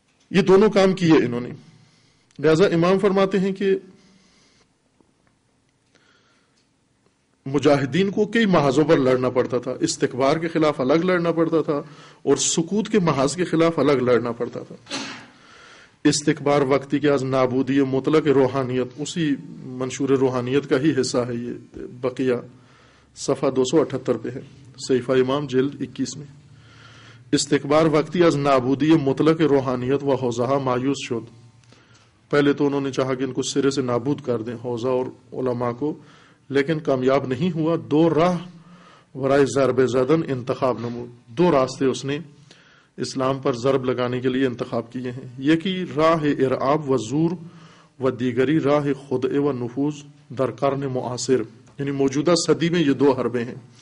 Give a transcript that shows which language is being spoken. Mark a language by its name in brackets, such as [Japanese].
[Urdu] یہ دونوں کام کیے انہوں نے. لہذا امام فرماتے ہیں کہ مجاہدین کو کئی محاذوں پر لڑنا پڑتا تھا، استکبار کے خلاف الگ لڑنا پڑتا تھا، اور سکوت کے محاذ کے خلاف الگ لڑنا پڑتا تھا. [Persian] استکبار وقتی کے از نابودی مطلق روحانیت، [Urdu] اسی منشور روحانیت کا ہی حصہ ہے یہ بقیہ، صفحہ 278 پہ ہے، صحیفہ امام جلد 21 میں. [Persian] استکبار وقتی از نابودی مطلق روحانیت و حوزہ مایوس شد. [Urdu] پہلے تو انہوں نے چاہا کہ ان کو سرے سے نابود کر دیں، حوزہ اور علماء کو، لیکن کامیاب نہیں ہوا. [Persian] دو راہ ورائے ضرب زدن انتخاب نمود، [Urdu] دو راستے اس نے اسلام پر ضرب لگانے کے لیے انتخاب کیے ہیں. [Persian] یکی راہ ارعاب و زور، و دیگری راہ خدع و نفوذ در قرن معاصر، [Urdu] یعنی موجودہ صدی میں یہ دو حربے ہیں.